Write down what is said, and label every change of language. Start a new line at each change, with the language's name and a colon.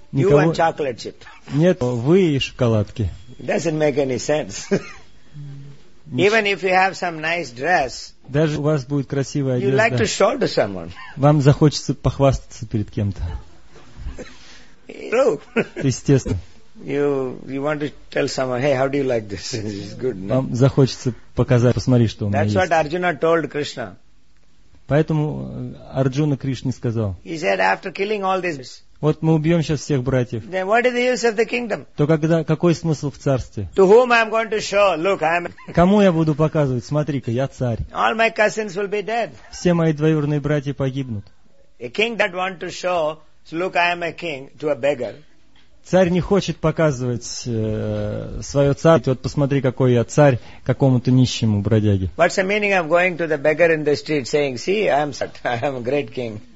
Russian: Никого...
English: You and chocolate chip.
Russian: Нет, вы и шоколадки.
English: Doesn't make any sense. Even if you have some nice dress,
Russian: даже у вас будет красивая одежда,
English: you like to show to someone.
Russian: Вам захочется похвастаться перед кем-то.
English: True.
Russian: Естественно.
English: You want to tell someone, hey, how do you like this? It's good.
Russian: Вам захочется показать, посмотри, что у меня есть.
English: That's what Arjuna told Krishna.
Russian: Поэтому Арджуна Кришне сказал.
English: He said after killing all these,
Russian: Вот мы убьем сейчас всех братьев.
English: Then what is the use of the kingdom?
Russian: То когда, какой смысл в царстве?
English: To whom I am going to show? Look, I am...
Russian: Кому я буду показывать? Смотри-ка, я царь.
English: All my cousins will be dead.
Russian: Все мои двоюродные братья погибнут.
English: A king that wants to show, look, I am a king, to a beggar.
Russian: Царь не хочет показывать свое царство. Вот посмотри, какой я царь какому-то нищему бродяге.
English: What's the meaning of going to the beggar in the street saying, see, I am a great king?